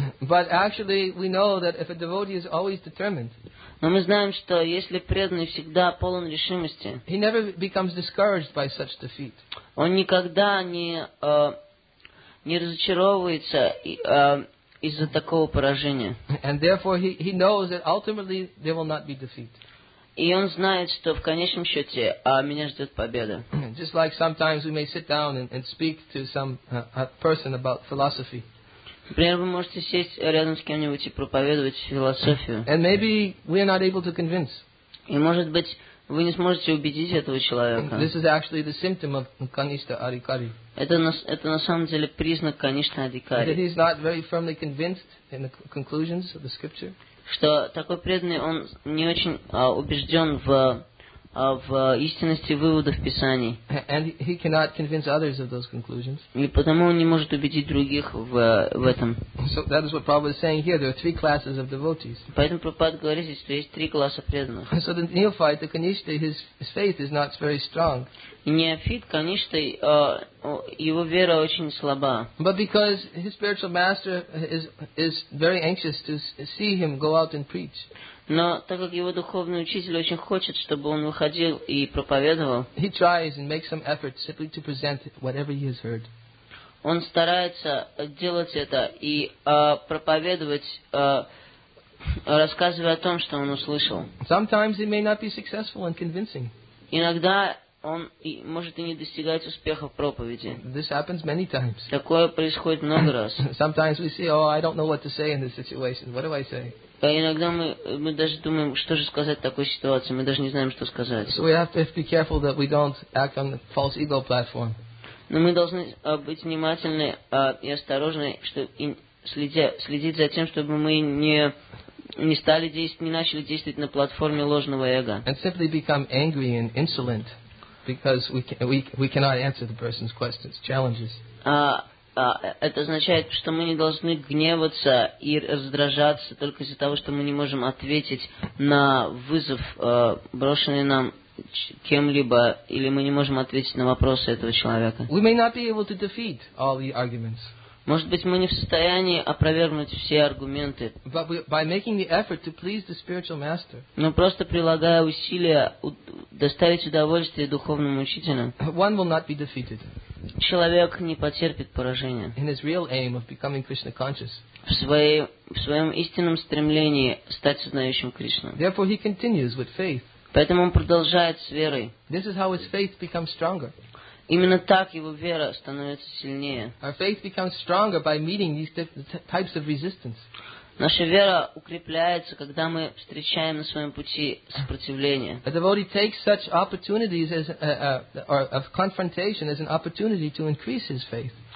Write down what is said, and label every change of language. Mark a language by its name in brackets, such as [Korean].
[English] But actually, we know that if a devotee is always determined. [Russian] Но мы знаем, что если преданный всегда полон решимости. [English] He never becomes discouraged by such defeat. [Russian] Он никогда не разочаровывается из-за такого поражения. [English] And therefore he knows that ultimately there will not be defeat. [Russian] И он знает, что в конечном счете меня ждет победа. [English] Just like sometimes we may sit down and speak to some person about philosophy. [Russian] Например, вы можете сесть рядом с кем-нибудь и проповедовать философию. [English] And maybe we are not able to convince. [Russian] И может быть, вы не сможете убедить этого человека. [English] This is actually the symptom of Kanishtha Adhikari. [Russian] Это на самом деле признак Kanishtha Adhikari. [English] That he is not very firmly convinced in the conclusions of the scripture. [Russian] Что такой преданный, он не очень убежден в истинности выводов Писаний. [English] And he cannot convince others of those conclusions. [Russian] И потому он не может убедить других в этом. [English] So that is what Prabhupada is saying here. There are three classes of devotees. [Russian] Поэтому Прабхупада говорит здесь, что есть три класса преданных. [English] So the neophyte, the kanishtha, his faith is not very strong. [Russian] Неофит, конечно, его вера очень слаба. [English] But because his spiritual master is very anxious to see him go out and preach. [Russian] Но так как его духовный учитель очень хочет, чтобы он выходил и проповедовал, [English] he tries and makes some effort simply to present whatever he has heard. [Russian] Он старается делать это и проповедовать, рассказывая о том, что он услышал. [English] Sometimes he may not be successful in convincing. [Russian] Иногда он может и не достигать успеха в проповеди. [English] This happens many times. [Russian] Такое происходит много раз. [English] Sometimes we see, oh, I don't know what to say in this situation. What do I say? [Russian] Иногда мы даже думаем, что же сказать в такой ситуации. Мы даже не знаем, что сказать. [English] So we have to be careful that we don't act on the false ego platform. [Russian] Но мы должны быть внимательны и осторожны, следить за тем, чтобы мы не начали действовать на платформе ложного эго. [English] And simply become angry and insolent. Because we cannot answer the person's questions, challenges. [Russian] Это означает, что мы не должны гневаться и раздражаться только из-за того, что мы не можем ответить на вызов, брошенный нам кем-либо, или мы не можем ответить на вопросы этого человека. [English] We may not be able to defeat all the arguments. [Russian] Может быть, мы не в состоянии опровергнуть все аргументы. [English] But by making the effort to please the spiritual master. [Russian] Но просто прилагая усилия доставить удовольствие духовному учителю. [English] One will not be defeated. [Russian] Человек не потерпит поражения. [English] In his real aim of becoming Krishna conscious. [Russian] В своем истинном стремлении стать сознающим Кришну. [English] Therefore, he continues with faith. [Russian] Поэтому он продолжает с верой. [English] This is how his faith becomes stronger. [Russian] Именно так его вера становится сильнее. [English] Our faith becomes stronger by meeting these types of resistance. [Russian] Наша вера укрепляется, когда мы встречаем на своем пути сопротивление. [English] A devotee takes such opportunities as or of confrontation as an opportunity to increase his faith.